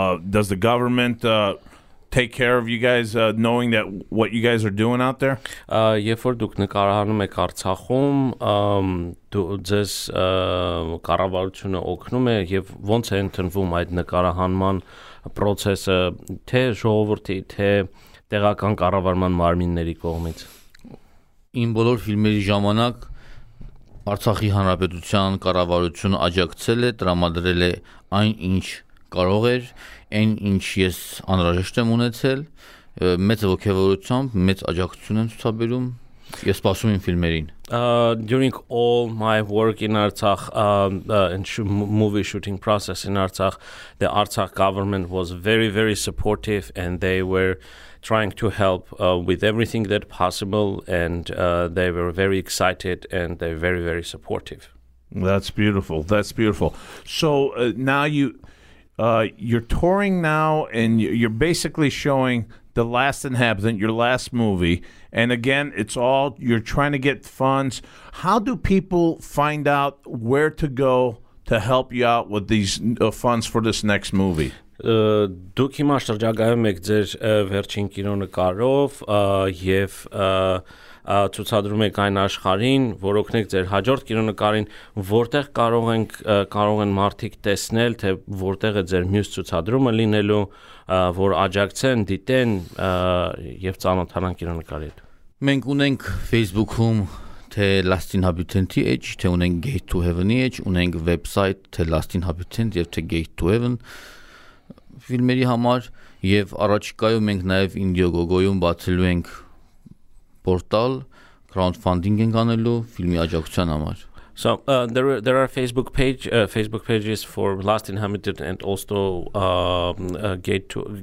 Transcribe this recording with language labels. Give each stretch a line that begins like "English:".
English: Does the government take care of you guys knowing that what you guys are doing out there?
Armenian: Երբ որ դուք նկարահանում եք Արցախում, ձեզ կառավարությունը օգնում է եւ ոնց է ընթանում այդ նկարահանման process-ը թե ժողովրդի թե տեղական կառավարման մարմինների կողմից։ Իմ բոլոր ֆիլմերի ժամանակ Արցախի Հանրապետության կառավարությունը աջակցել է, տրամադրել է այն ինչ կարող էր, այն ինչ ես անհրաժեշտ եմ ունեցել, մեծ ոգևորությամբ, մեծ աջակցություն եմ ցուցաբերում, ես սպասում եմ ֆիլմերին։
English: During all my work in Artsakh and movie shooting process in Artsakh, the Artsakh government was very, very supportive and they were trying to help with everything that possible and they were very excited and they're very, very supportive. That's beautiful. That's beautiful. So now you're touring now and you're basically showing The Last Inhabitant, your last movie. And again, it's all, you're trying to get funds. How do people find out where to go to help you out with these funds for this next movie?
Armenian: Դուք հիմա շրջագայում եք ձեր վերջին կինոնկարով եւ ցուցադրում եք այն աշխարհին, որ օգնեք ձեր հաջորդ կինոնկարին, որտեղ կարող են մարդիկ տեսնել, թե որտեղ է ձեր մյուս ցուցադրումը լինելու, որ աջակցեն, դիտեն եւ ճանաչան կինոնկարի հետ։ Մենք ունենք Facebook-ում թե Last Inhabitant-ի էջ, թե ունենք Gate to Heaven-ի էջ, ունենք website թե Last Inhabitant եւ թե Gate to Heaven ֆիլմերի համար եւ առաջիկայում մենք նաեւ Indiegogo-ում բացելու ենք պորտալ crowdfunding ենք անելու ֆիլմի աջակցության համար։
English: So there are Facebook pages for Last Inhabitant and also Gate to Hell.